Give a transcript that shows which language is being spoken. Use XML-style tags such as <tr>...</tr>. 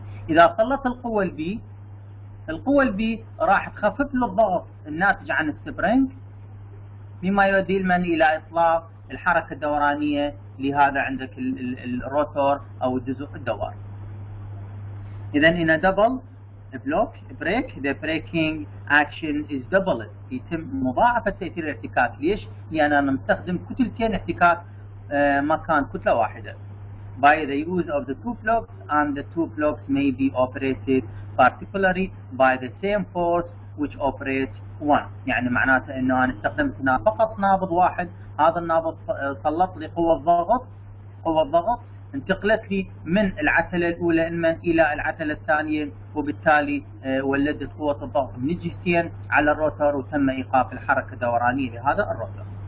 <ar>إذا سلطت القوة البي راح تخفف له الضغط الناتج عن السبرينج مما يؤدي من إلى إطلاق الحركة الدورانية لهذا عندك الروتور أو الجزء الدوار. إذا هنا</ar> <en>double block brake the braking action is double</en> <ar>يتم مضاعفة تأثير الاحتكاك. ليش؟ لأن أنا مستخدم كتلتين احتكاك مكان كتلة واحدة.</ar> <en>By the use of the two blocks and the two blocks may be operated particularly by the same force which operates one.</en> <ar>يعني معناته أنه أنا استخدمت هنا فقط نابض واحد هذا النابض سلط لي قوة الضغط انتقلت لي من العتلة الأولى إلى العتلة الثانية وبالتالي ولدت قوة الضغط من الجهتين على الروتر وتم إيقاف الحركة الدورانية لهذا الروتر.</ar>